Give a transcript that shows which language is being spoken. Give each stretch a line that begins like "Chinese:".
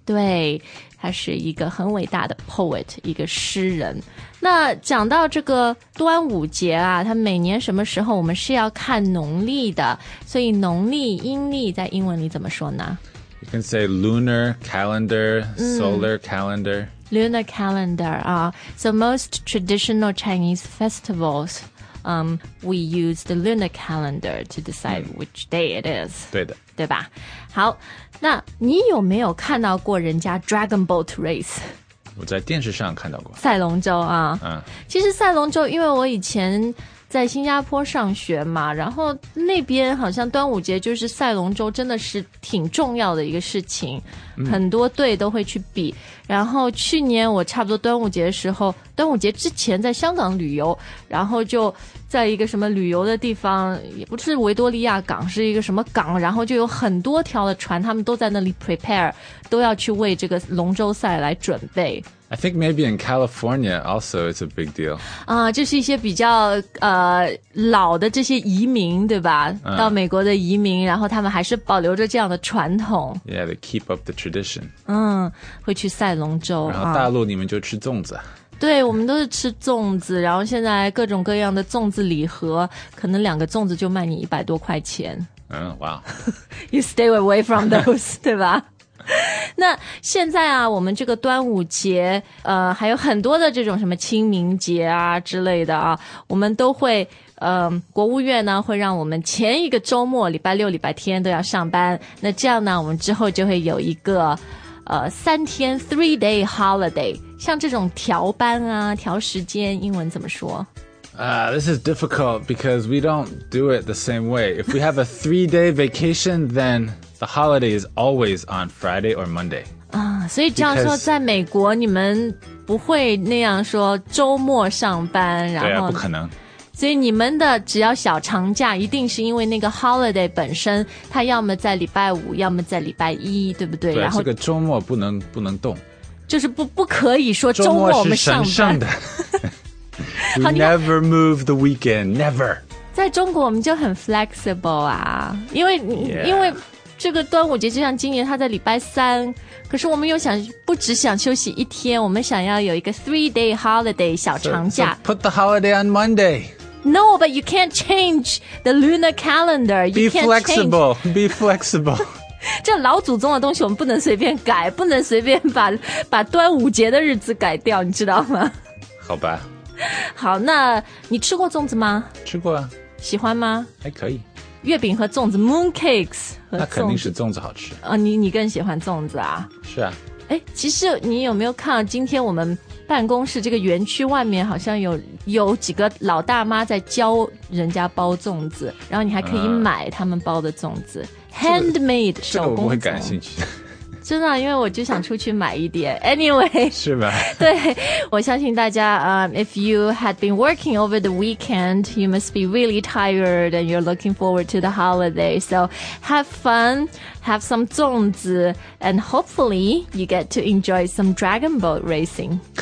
Chinese: 对他是一个很伟大的 poet, 一个诗人。那讲到这个端午节啊他每年什么时候我们是要看农历的所以农历阴历在英文里怎么说呢
English: You can say lunar calendar, solar calendar. Lunar calendar, so most traditional Chinese festivals, we use the lunar calendar to decide which day it is.
Chinese: 对的。对吧？好，那你有没有看到过人家 Dragon Boat Race? 我在电视上看到过。赛龙舟啊。其实赛龙舟，因为我以前在新加坡上学嘛，然后那边好像端午节就是赛龙舟真的是挺重要的一个事情，很多队都会去比。然后去年我差不多端午节的时候，端午节之前在香港旅游，然后就在一个什么旅游的地方，也不是维多利亚港，是一个什么港，然后就有很多条的船，他们都在那里 prepare, 都要去为这个龙舟赛来准备。
English: I think maybe in California also it's a big deal.
Chinese: 就是一些比较老的这些移民对吧到美国的移民然后他们还是保留着这样的传统。
English: Yeah, they keep up the tradition.
Chinese: 会去赛龙舟。然后大陆你们就吃粽子。对我们都是吃粽子然后现在各种各样的粽子礼盒可能两个粽子就卖你100多块钱。
English: Wow. You stay away from those,
Chinese: 对吧那现在啊我们这个端午节还有很多的这种什么清明节啊之类的啊我们都会国务院呢会让我们前一个周末礼拜六礼拜天都要上班那这样呢我们之后就会有一个三天 three day holiday 像这种调班啊调时间英文怎么说
English: This is difficult because we don't do it the same way. If we have a three day vacation, then the holiday is always on Friday or Monday.
Chinese: 所以这样说在美国你们不会那样说周末上班然后对啊不可能。所以你们的只要小长假一定是因为那个 holiday 本身它要么在礼拜五要么在礼拜一对不对对然后这个周末不能动。就是不可以说周末我们上班。周末是神圣的。
English: We never move the weekend, never.
Chinese: 在中国我们就很 flexible 啊。因为、
English: yeah.
Chinese: 因为这个端午节就像今年他在礼拜三，可是我们又想不只想休息一天，我们想要有一个 3-day holiday 小长假。
English: so put the holiday on Monday. No, but you can't change the lunar calendar. Be flexible. Be flexible.
Chinese: 这老祖宗的东西我们不能随便改，不能随便 把端午节的日子改掉，你知道吗？好吧。好，那你吃过粽子吗？吃过啊。喜欢吗？还可以。月饼和粽子 ，mooncakes 和粽子，那肯定是粽子好吃。你更喜欢粽子啊？是啊。哎，其实你有没有看到今天我们办公室这个园区外面好像有几个老大妈在教人家包粽子，然后你还可以买他们包的粽子、，handmade 手工粽。这个我不会感兴趣。真的，因为我就想出去买一点。
English: Anyway,
Chinese: 是吧？对，我相信大家
English: if you had been working over the weekend, you must be really tired and you're looking forward to the holiday. So have fun, have some 粽子, and hopefully you get to enjoy some dragon boat racing.